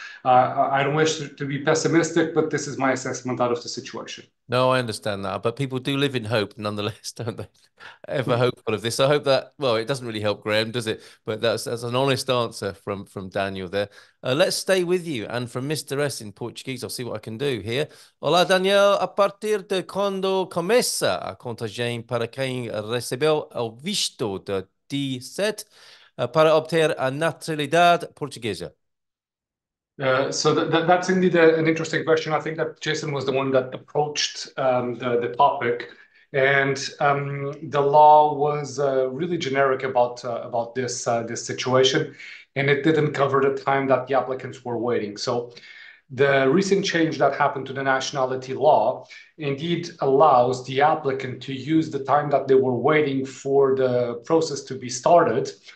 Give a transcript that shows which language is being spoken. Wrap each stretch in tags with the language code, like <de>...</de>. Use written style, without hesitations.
<en>I don't wish to be pessimistic, but this is my assessment out of the situation. No, I understand that, but people do live in hope nonetheless, don't they? Ever hopeful of this. I hope that, well, it doesn't really help Graham, does it? But that's an honest answer from Daniel there. Let's stay with you. And from Mr. S in Portuguese, I'll see what I can do here.</en> <es>Hola, Daniel.</es> <pt>A partir de quando começa a contagem para quem recebeu o visto de D7 para obter a naturalidade portuguesa?</pt> <en>So that's indeed an interesting question. I think that Jason was the one that approached the topic, and the law was really generic about this situation, and it didn't cover the time that the applicants were waiting. So the recent change that happened to the nationality law indeed allows the applicant to use the time that they were waiting for the process to be started.</en>